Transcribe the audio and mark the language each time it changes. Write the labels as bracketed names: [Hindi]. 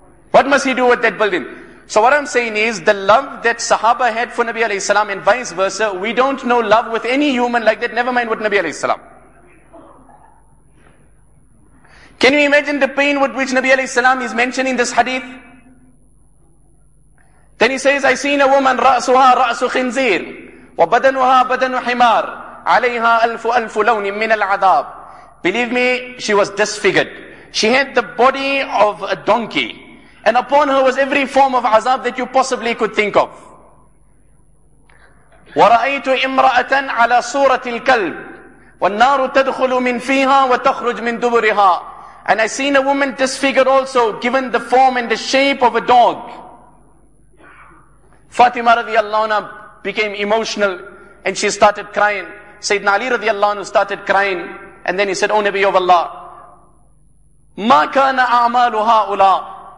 [English] What must he do with that building? So what I'm saying is, the love that Sahaba had for Nabi alayhi salam and vice versa, we don't know love with any human like that, never mind with Nabi alayhi salam. Can you imagine the pain with which Nabi alayhi salam is mentioning this hadith? Then he says, I seen a woman, [Arabic] رأسها رأس خنزير وبدنها بدن حمار عليها ألف ألف لون من العذاب. [English] Believe me, she was disfigured. She had the body of a donkey. And upon her was every form of azab that you possibly could think of. [Arabic] ورأيت امرأة على صورة الكلب والنار تدخل من فيها وتخرج من دبرها. [English] And I seen a woman disfigured also, given the form and the shape of a dog. Fatima radiallahu anha became emotional and she started crying. Sayyidina Ali radiallahu anhu started crying and then he said, O Nabi of Allah, [Arabic] ma kana a'malu ha'ula.